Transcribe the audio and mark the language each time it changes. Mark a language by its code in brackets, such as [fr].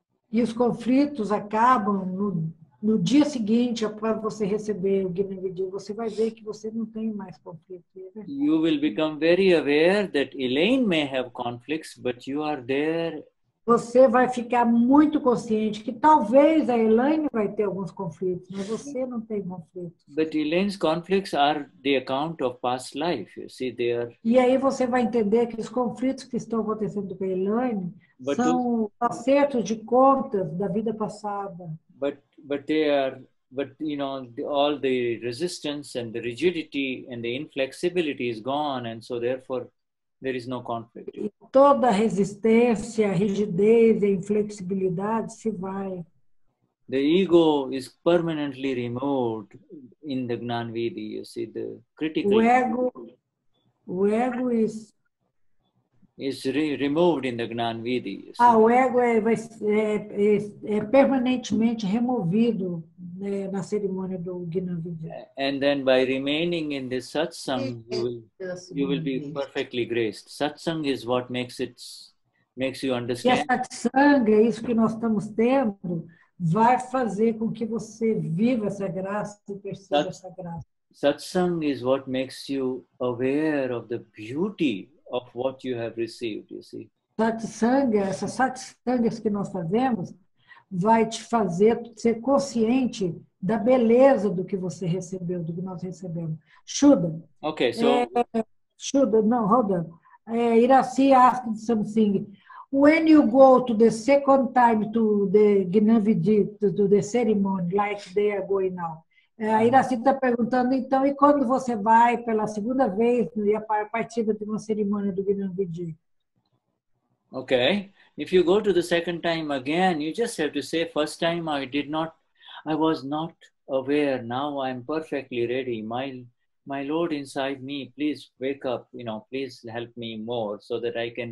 [pt] E os conflitos acabam no dia seguinte após você receber o Gnanvidhi. Você vai ver que você não tem mais conflito. [en] You will become very aware that Elaine may have conflicts, but you are there. [pt] Você vai ficar muito consciente que talvez a Elaine vai ter alguns conflitos, mas você não tem conflitos. [en] But Elaine's conflicts are the account of past life. You see, they are. [pt] E aí você vai entender que os conflitos que estão acontecendo com a Elaine são acertos de contas da vida passada. [en] But they are, but you know, all the resistance and the rigidity and the inflexibility is gone, and so therefore there is no conflict. [pt] Toda resistência, rigidez e inflexibilidade se vai. [en] The ego is permanently removed in the Gnanvidhi. You see, the critical. O ego is. Is removed in the Gnanvidhi. [pt] O ego é permanentemente removido, né, na cerimônia do Gnanvidhi. [en] And then by remaining in the satsang, you will be perfectly graced. Satsang is what makes you understand. [pt] E a satsang, é isso que nós estamos tendo, vai fazer com que você viva essa graça e perceba essa graça. [en] Satsang is what makes you aware of the beauty of what you have received, you see. [pt] Satsanga, essas satsangas que nós fazemos, vai te fazer ser consciente da beleza do que você recebeu, do que nós recebemos. [en] Shuddha. Okay, so. Shuddha, no, hold on. Iraci asked something. When you go to the second time to the Gnanvidhi, to the ceremony, like they are going now. [pt] A Iraci está perguntando, então, e quando você vai pela segunda vez e a partir de uma cerimônia do Gnanvidhi? [en] Okay. If you go to the second time again, you just have to say, first time I was not aware. Now I am perfectly ready. My Lord inside me, please wake up, you know, please help me more so that I can